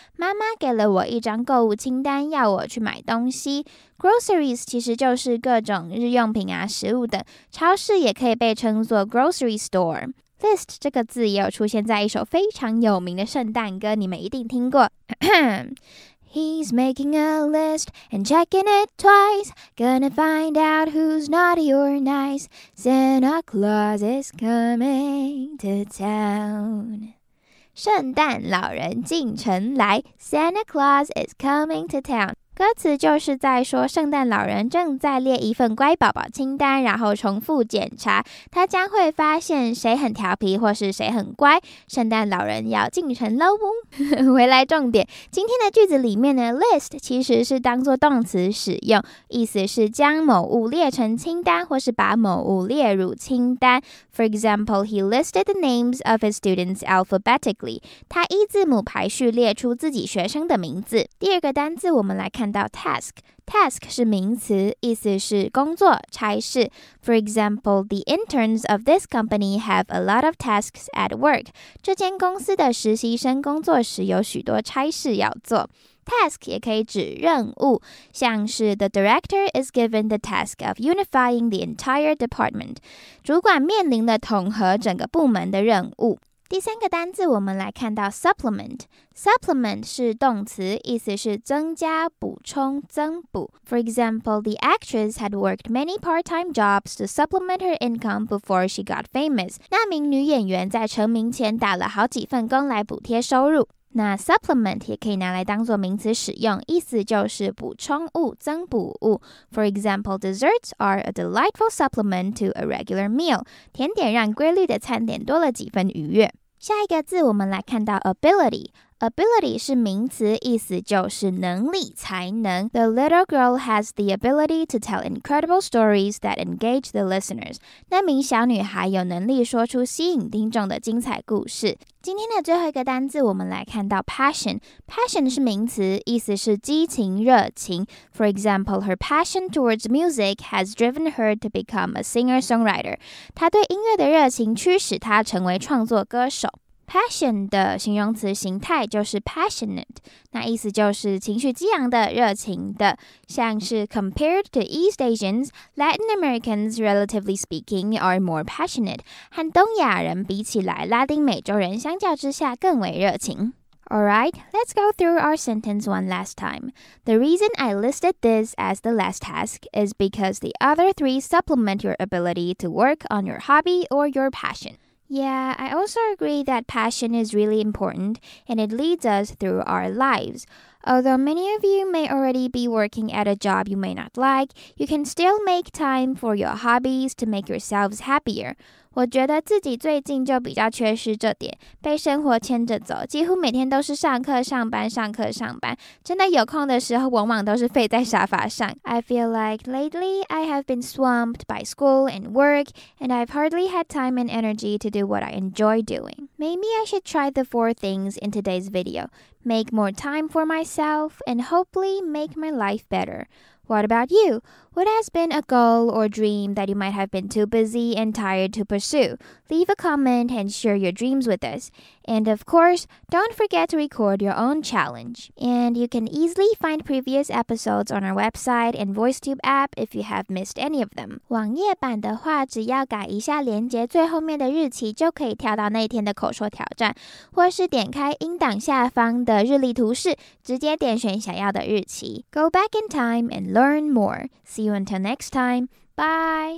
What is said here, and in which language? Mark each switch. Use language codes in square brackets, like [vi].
[zh] 妈妈给了我一张购物清单，要我去买东西。 Groceries 其实就是各种日用品啊、食物等。超市也可以被称作 grocery store。 List 这个字也有出现在一首非常有名的圣诞歌，你们一定听过。 [en] He's making a list and checking it twice. Gonna find out who's naughty or nice. Santa Claus is coming to town. [zh] 圣诞老人进城来 [en] ，Santa Claus is coming to town. [zh] 歌词就是在说圣诞老人正在列一份乖宝宝清单，然后重复检查，他将会发现谁很调皮或是谁很乖，圣诞老人要进城喽。回来重点，今天的句子里面的 list 其实是当作动词使用，意思是将某物列成清单或是把某物列入清单。 [en] For example, he listed the names of his students alphabetically. [zh] 他依字母排序列出自己学生的名字。第二个单字我们来看到 task 是名词，意思是工作、差事。 [en] For example, the interns of this company have a lot of tasks at work. [zh] 这间公司的实习生工作时有许多差事要做。 [en] Task [zh] 也可以指任务，像是 [en] the director is given the task of unifying the entire department. [zh] 主管面临了统合整个部门的任务。第三个单字我们来看到 supplement。Supplement 是动词，意思是增加、补充、增补。 [en] For example, the actress had worked many part-time jobs to supplement her income before she got famous. [zh] 那名女演员在成名前打了好几份工来补贴收入。那 supplement 也可以拿来当作名词使用，意思就是补充物、增补物。 [en] For example, desserts are a delightful supplement to a regular meal. [zh] 甜点让规律的餐点多了几分愉悦。下一个字我们来看到 ability。 Ability 是名词，意思就是能力、才能。 [en] The little girl has the ability to tell incredible stories that engage the listeners. [zh] 那名小女孩有能力说出吸引听众的精彩故事。今天的最后一个单字，我们来看到 passion。Passion 是名词，意思是激情、热情。 [en] For example, her passion towards music has driven her to become a singer-songwriter. [zh] 她对音乐的热情驱使她成为创作歌手。 Passion 的形容词形态就是 passionate， 那意思就是情绪激昂的、热情的。像是 [en] compared to East Asians, Latin Americans, relatively speaking, are more passionate。 [zh] 和东亚人比起来，拉丁美洲人相较之下更为热情。 [en] Alright, let's go through our sentence one last time. The reason I listed this as the last task is because the other three supplement your ability to work on your hobby or your passion. Yeah, I also agree that passion is really important, and it leads us through our lives. Although many of you may already be working at a job you may not like, you can still make time for your hobbies to make yourselves happier. [zh] 我觉得自己最近就比较缺失这点，被生活牵着走，几乎每天都是上课、上班、上课、上班，真的有空的时候往往都是废在沙发上。 [en] I feel like lately I have been swamped by school and work, and I've hardly had time and energy to do what I enjoy doing. Maybe I should try the four things in today's video. Make more time for myself, and hopefully make my life better. What about you? What has been a goal or dream that you might have been too busy and tired to pursue? Leave a comment and share your dreams with us. And of course, don't forget to record your own challenge. And you can easily find previous episodes on our website and VoiceTube app if you have missed any of them. [zh] 网页版的话，只要改一下连结最后面的日期，就可以跳到那天的口说挑战，或是点开音档下方的日历图示，直接点选想要的日期。 [en] Go back in time and learn more. See you until next time. Bye!